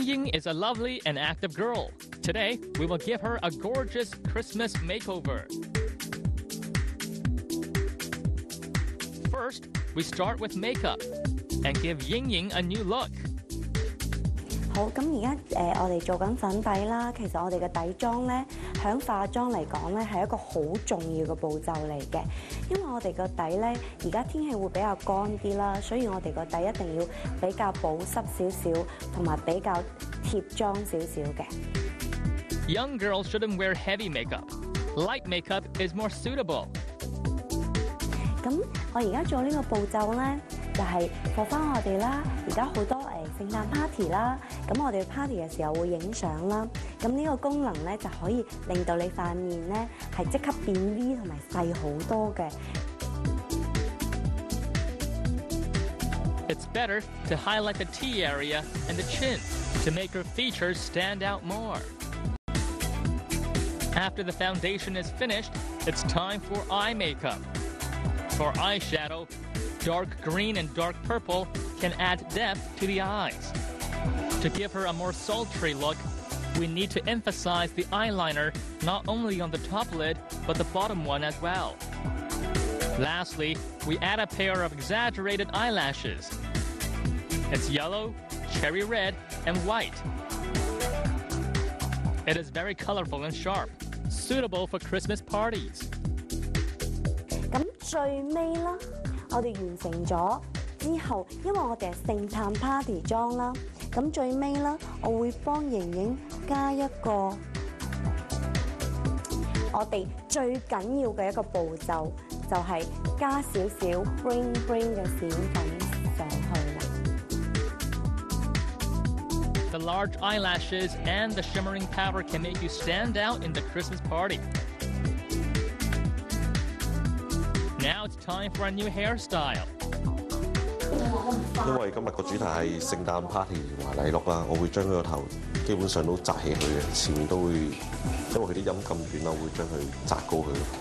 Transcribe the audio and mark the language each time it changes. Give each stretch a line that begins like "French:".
English: Ying is a lovely and active girl. Today, we will give her a gorgeous Christmas makeover. First, we start with makeup and give Ying Ying a new look.
Cantonese: 好，咁而家我哋做緊粉底啦。其實我哋嘅底妝咧，喺化妝嚟講咧，係一個好重要嘅步驟嚟嘅。因為我哋個底咧，而家天氣會比較乾啲啦，所以我哋個底一定要比較保濕少少，同埋比較貼妝少少嘅。
English: Young girls shouldn't wear heavy makeup. Light makeup is more suitable.
Cantonese: 咁我而家做呢個步驟咧，就係放翻我哋啦。而家好多聖誕 party 啦，咁我哋 party 嘅時候會影相啦。咁呢個功能咧就可以令到你塊面咧係即刻變 V 同埋細好多嘅。
English: It's better to highlight the T area and the chin to make her features stand out more. After the foundation is finished, it's time for eye makeup. For eyeshadow, dark green and dark purple can add depth to the eyes. To give her a more sultry look, we need to emphasize the eyeliner not only on the top lid, but the bottom one as well. Lastly, we add a pair of exaggerated eyelashes. It's yellow, cherry red, and white. It is very colorful and sharp, suitable for Christmas parties.
Cantonese: 最尾啦，我哋完成咗之後，因為我哋係聖誕 party 妝啦，咁最尾啦，我會幫盈盈加一個我哋最緊要嘅一個步驟，就係加少少 bling bling 嘅閃粉上去啦。
English: The large eyelashes and the shimmering powder can make you stand out in the Christmas party. Now it's time for a new hairstyle.
Cantonese: 因為今日個主題係聖誕 party 同埋禮樂啦，我會將佢個頭基本上都扎起佢嘅，前面都會，因為佢啲音咁遠啦，會將佢扎高佢。